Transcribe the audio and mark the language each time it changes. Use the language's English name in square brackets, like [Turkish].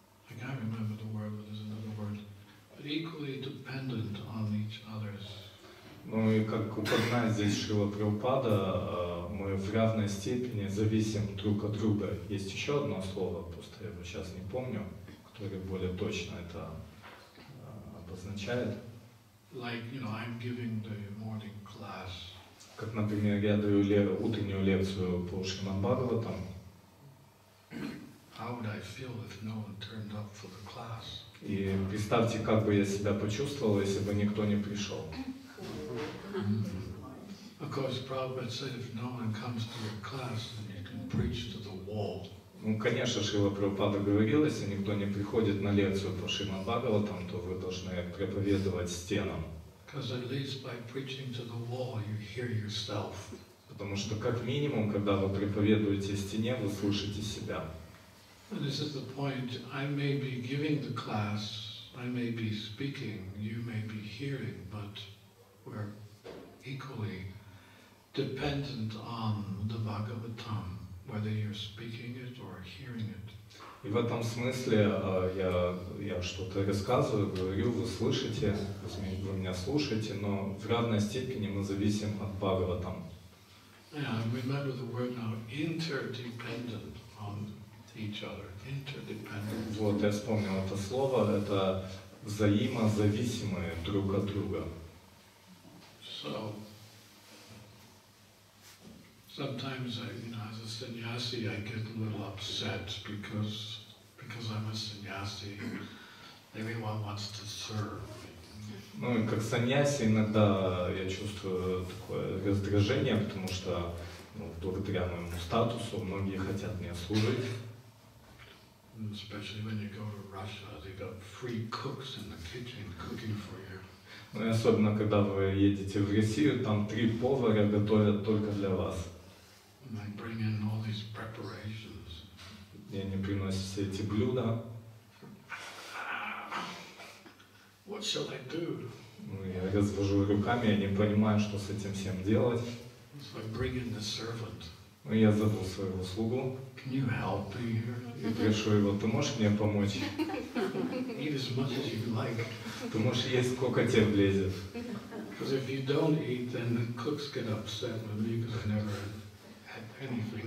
[English] I can't remember the word, but there's another word. But equally dependent on each other's. [Russian] Ну и как упоминает здесь Шрила Прабхупада, мы в равной степени зависим друг от друга. Есть еще одно слово, просто я его сейчас не помню, которое более точно это обозначает. [English] Like, you know, I'm giving the morning class. [Russian] Как, например, я даю утреннюю лекцию по Шримад Бхагаватам. [English] How would I feel if no one turned up for the class? [Russian] И представьте, как бы я себя почувствовал, если бы никто не пришел. [English] Of course, Prabhupada said, if no one comes to your class, then you can preach to the wall. [Russian] Ну, конечно, Шрила Прабхупада говорил, если никто не приходит на лекцию по Шримад Бхагаватам, то вы должны проповедовать стенам. [English] Because at least by preaching to the wall, you hear yourself. [Russian] Потому что как минимум, когда вы проповедуете стене, вы слышите себя. [English] And this is the point. I may be giving the class, I may be speaking, you may be hearing, but we're equally dependent on the Bhagavatam, whether you're speaking it or hearing it. [Russian] И в этом смысле я что-то рассказываю, говорю, вы слышите, вы меня слушаете, но в равной степени мы зависим от Бхагаватам. [English] Yeah, remember the word now, interdependent on each other. Interdependent. [Russian] Вот, я вспомнил это слово, это взаимозависимые друг от друга. [English] So, sometimes, you know, as a sannyasi, I get a little upset because I'm a sannyasi. Everyone wants to serve. [Russian] Ну, как сannyasi, иногда я чувствую такое раздражение, потому что, ну, благодаря моему статусу, многие хотят мне служить. [English] Especially when you go to Russia, they got free cooks in the kitchen cooking for you. [Russian] Ну, и особенно когда вы едете в Россию, там три повара готовят только для вас. [English] And I bring in all these preparations. [Russian] Я не приношу все эти блюда. [English] What shall I do? [Russian] Ну, я развожу руками, я не понимаю, что с этим всем делать. [English] So I bring in the servant. [Russian] Ну, я зову своего слугу. [English] Can you help me? [Russian] И прошу его, ты можешь мне помочь? [English] Eat as much as you like. [Russian] Ты можешь есть, сколько тебе влезет. [English] Because if you don't eat, then the cooks get upset with me because I never eat.